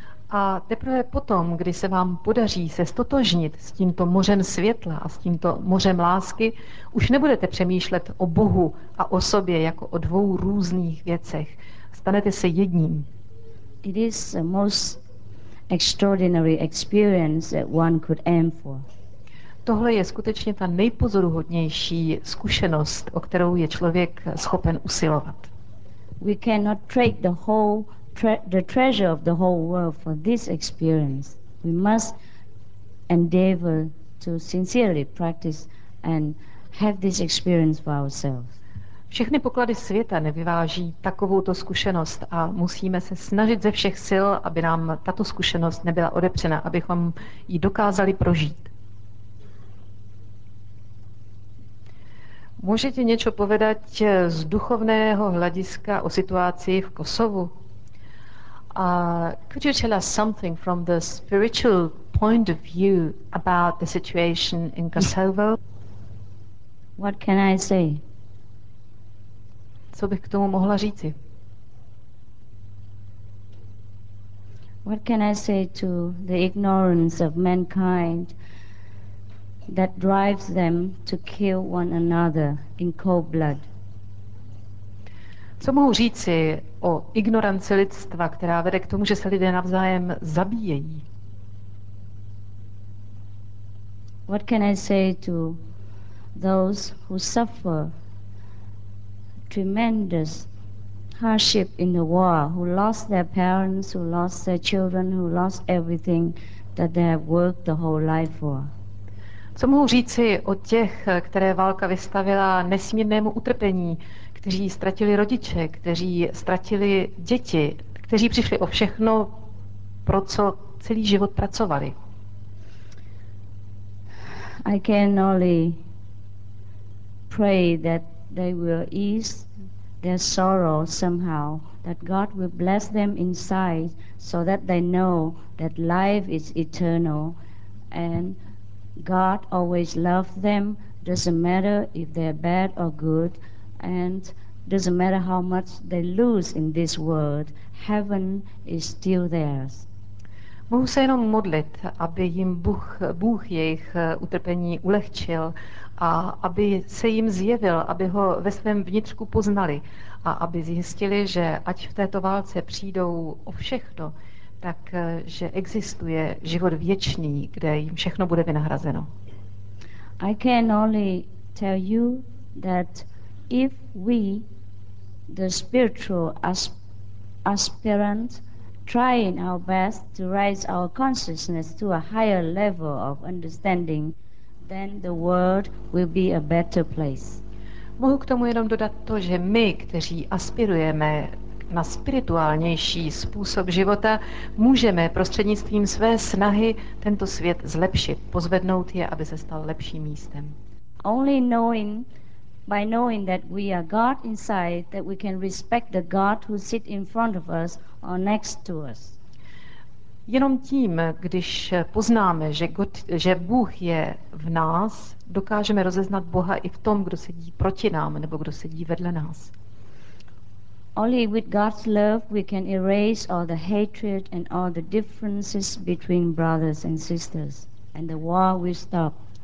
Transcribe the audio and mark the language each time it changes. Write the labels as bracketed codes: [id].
[cs] A teprve potom, když se vám podaří se ztotožnit s tímto mořem světla a s tímto mořem lásky, už nebudete přemýšlet o Bohu a o sobě jako o dvou různých věcech. Stanete se jedním. [en] It is the most extraordinary experience that one could aim for. [cs] Tohle je skutečně ta nejpozoruhodnější zkušenost, o kterou je člověk schopen usilovat. [en] We cannot trade the treasure of the whole world for this experience. We must endeavor to sincerely practice and have this experience for ourselves. [cs] Všechny poklady světa nevyváží takovouto zkušenost a musíme se snažit ze všech sil, aby nám tato zkušenost nebyla odepřena, abychom ji dokázali prožít. Můžete něco povedat z duchovného hlediska o situaci v Kosovu? [en] Could you tell us something from the spiritual point of view about the situation in Kosovo? What can I say? [cs] Co bych k tomu mohla říci? [en] What can I say to the ignorance of mankind that drives them to kill one another in cold blood? [cs] Co mohu říci o ignoranci lidstva, která vede k tomu, že se lidé navzájem zabíjejí? [en] What can I say to those who suffer tremendous hardship in the war, who lost their parents, who lost their children, who lost everything that they have worked the whole life for? [cs] Co mohu říci o těch, které válka vystavila nesmírnému utrpení, kteří ztratili rodiče, kteří ztratili děti, kteří přišli o všechno, pro co celý život pracovali? [en] I can only pray that they will ease their sorrow somehow, that God will bless them inside so that they know that life is eternal and God always loves them, doesn't matter if they're bad or good, and doesn't matter how much they lose in this world, heaven is still theirs. [cs] Mohu se jenom modlit, aby jim Bůh jejich utrpení ulehčil a aby se jim zjevil, aby ho ve svém vnitřku poznali a aby zjistili, že ať v této válce přijdou o všechno, tak, že existuje život věčný, kde jim všechno bude vynahrazeno. [en] I can only tell you that if we, the spiritual aspirant, try in our best to raise our consciousness to a higher level of understanding, then the world will be a better place. [cs] Mohu k tomu jenom dodat to, že my, kteří aspirujeme na spirituálnější způsob života, můžeme prostřednictvím své snahy tento svět zlepšit, pozvednout je, aby se stal lepším místem. [en] Only knowing by knowing that we are God inside, that we can respect the God who sits in front of us or next to us. [cs] Jenom tím, když poznáme, že, [en] God, [cs] že Bůh je v nás, dokážeme rozeznat Boha i v tom, kdo sedí proti nám nebo kdo sedí vedle nás. [en] Only with God's love we can erase all the hatred and all the differences between brothers and sisters, and the war will stop.